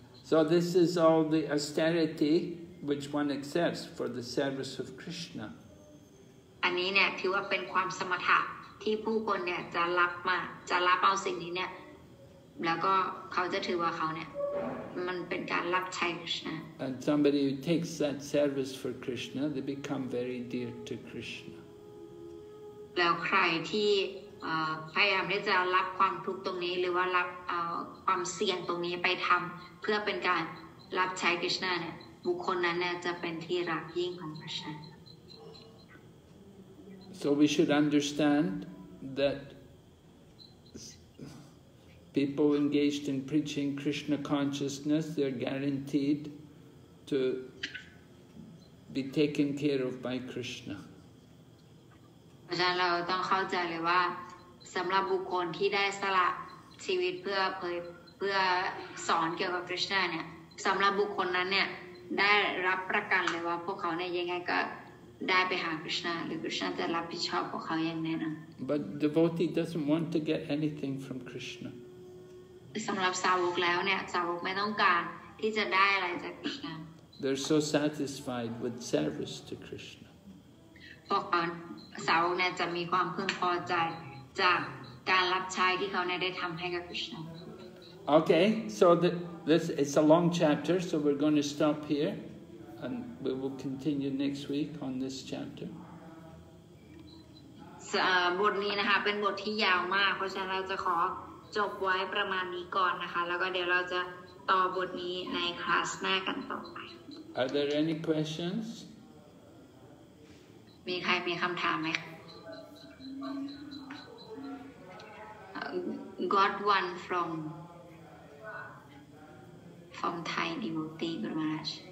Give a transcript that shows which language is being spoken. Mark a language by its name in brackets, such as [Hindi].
[English] So this is all the austerityWhich one accepts for the service of Krishna. [Thai] อันนี้เนี่ยถือว่าเป็นความสมถะที่ผู้คนเนี่ยจะรับมาจะรับเอาสิ่งนี้เนี่ยแล้วก็เขาจะถือว่าเขาเนี่ยมันเป็นการรับใช้ Krishna. [English] And somebody who takes that service for Krishna, they become very dear to Krishna. [Thai] แล้วใครที่พยายามที่จะรับความทุกข์ตรงนี้หรือว่ารับความเสี่ยงตรงนี้ไปทำเพื่อเป็นการรับใช้ Krishna เนี่ยบุคคลนั้นเนี่ยจะเป็นที่รักยิ่งของพระองค์ [English] So we should understand that people engaged in preaching Krishna consciousness they are guaranteed to be taken care of by Krishna [Thai] เพราะฉะนั้นเราต้องเข้าใจเลยว่าสำหรับบุคคลที่ได้สละชีวิตเพื่อสอนเกี่ยวกับ Krishna เนี่ยสำหรับบุคคลนั้นเนี่ยได้รับประกันเลยว่าพวกเขาเนี่ยยังไงก็ได้ไปหาคริสต์นาหรือคริสต์นาจะรับผิดชอบพวกเขาอย่างแน่นอน [English] But devotee doesn't want to get anything from Krishna [Thai] สำหรับสาวกแล้วเนี่ยสาวกไม่ต้องการ ที่จะได้อะไรจาก Krishna [English] they're so satisfied with service to Krishna [Thai] พวกเขาสาวกเนี่ยจะมีความพึงพอใจจากการรับใช้ที่เขาเนี่ยได้ทำให้กับ Krishna [English] okay so this it's a long chapter so we're going to stop here and we will continue next week on this chapter [Thai] บทนี้นะคะเป็นบทที่ยาวมากเพราะฉะนั้นเราจะขอจบไว้ประมาณนี้ก่อนนะคะแล้วก็เดี๋ยวเราจะต่อบทนี้ในคลาสหน้ากันต่อไป [English] Are there any questions [Thai] มีใครมีคำถามไหม [English] got one from Thai devotee Guru Maharaj